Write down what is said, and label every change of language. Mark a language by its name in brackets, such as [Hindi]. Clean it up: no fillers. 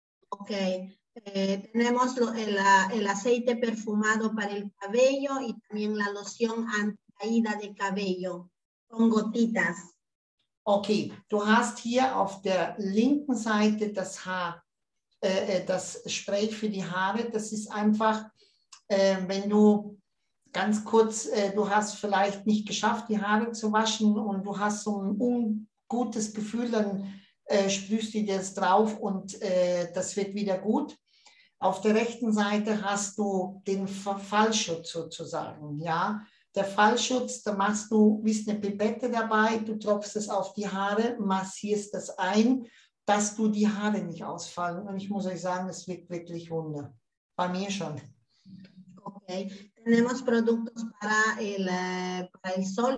[Spanish] Okay, tenemos el aceite perfumado para el cabello y también la loción anticaída de cabello con gotitas. [German] Okay, du hast hier auf der linken Seite das Haar, das Spray für die Haare. Das ist einfach, wenn du ganz kurz, du hast vielleicht nicht geschafft, die Haare zu waschen und du hast so ein ungutes Gefühl, dann sprühst du das drauf und das wird wieder gut. Auf der rechten Seite hast du den Fallschutz sozusagen. Ja? Der Fallschutz, da machst du wie eine Pipette dabei, du tropfst es auf die Haare, massierst das ein, dass du die Haare nicht ausfallen. Und ich muss euch sagen, es wirkt wirklich Wunder. Bei mir schon. Okay. [Spanish] Tenemos productos para el sol.